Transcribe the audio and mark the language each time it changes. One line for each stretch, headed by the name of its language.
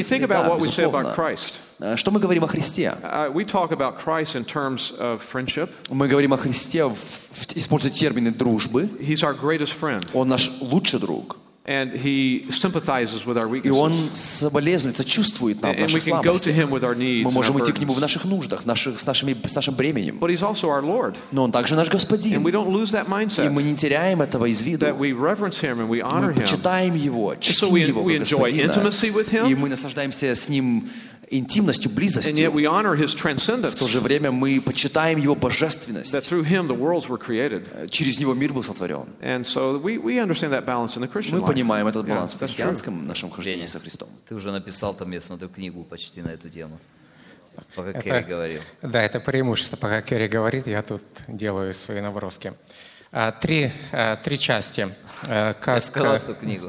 English: I mean, think about what we say about Christ.
Russian: Что мы говорим о Христе?
English: We talk about Christ in terms of friendship.
Russian: Мы говорим о Христе, используя термины дружбы.
English: He's our greatest friend.
Russian: Он наш лучший друг.
English: And he sympathizes with our weaknesses.
Russian: И он сочувствует нам в наших
English: and we can go to him with our needs.
Russian: Мы можем идти к нему в наших нуждах, с нашим бременем.
English: But he's also our Lord.
Russian: Но он также наш господин.
English: And we don't lose that mindset.
Russian: И мы не теряем этого из виду.
English: That we reverence him and we honor him.
Russian: Мы почитаем его, чтим его, господина.
English: So we enjoy intimacy with him.
Russian: И мы наслаждаемся с ним интимностью, близостью.
English: And yet we honor his transcendence.
Russian: В то же время мы почитаем его божественность.
English: That through him the worlds were created.
Russian: Через него мир был сотворен.
English: And so we understand that balance in the Christian life.
Russian: Мы понимаем этот баланс в христианском нашем хождении со Христом. Ты уже написал там, я смотрю, книгу почти на эту тему. Пока Керри говорил. Да, это преимущество. Пока Керри говорит, я тут делаю свои наброски. Три части. Как, я сказал, что книгу.